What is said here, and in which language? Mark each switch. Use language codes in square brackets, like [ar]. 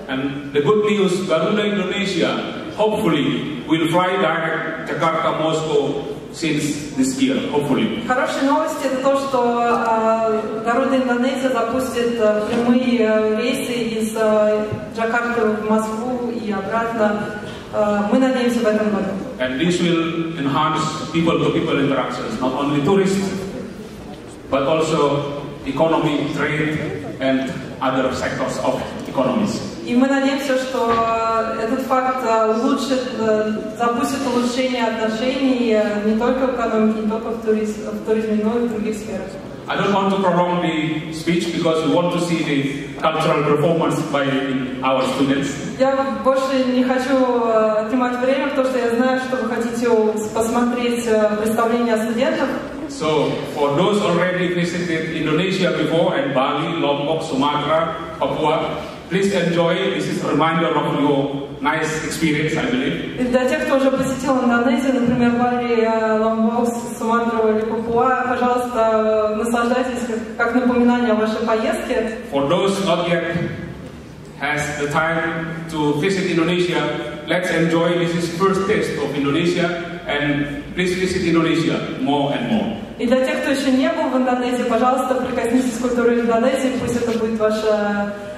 [en] And the good news, Garuda Indonesia hopefully will fly direct to Jakarta, Moscow. Since this year, hopefully. [ru] Хорошая новость это то, что Garuda Indonesia запустит прямые рейсы из Джакарты в Москву и обратно. Мы надеемся в этом году. [en] And this will enhance people-to-people interactions, not only tourists, but also economy, trade, and other sectors of economies. [ru] И мы надеемся, что этот факт запустит улучшение отношений не только в экономике, не только в туризме, но и в других сферах. [en] I don't want to prolong the speech because we want to see the cultural performance by our students. [ru] Я больше не хочу отнимать время, потому что я знаю, что вы хотите посмотреть представление студентов. [en] So, for those already visited Indonesia before and Bali, Lombok, Sumatra, Papua, please enjoy. This is a reminder of your nice experience, I believe. [ru] Для тех, кто уже посетил Индонезию, например, Бали, Ломбок, Суматру или Папуа, пожалуйста, наслаждайтесь как напоминание о вашей поездке. [en] For those not yet has the time to visit Indonesia, let's enjoy. This is first taste of Indonesia, and please visit Indonesia more and more. [ru] И для тех, кто еще не был в Индонезии, пожалуйста, прикоснитесь к культуре Индонезии, пусть это будет ваша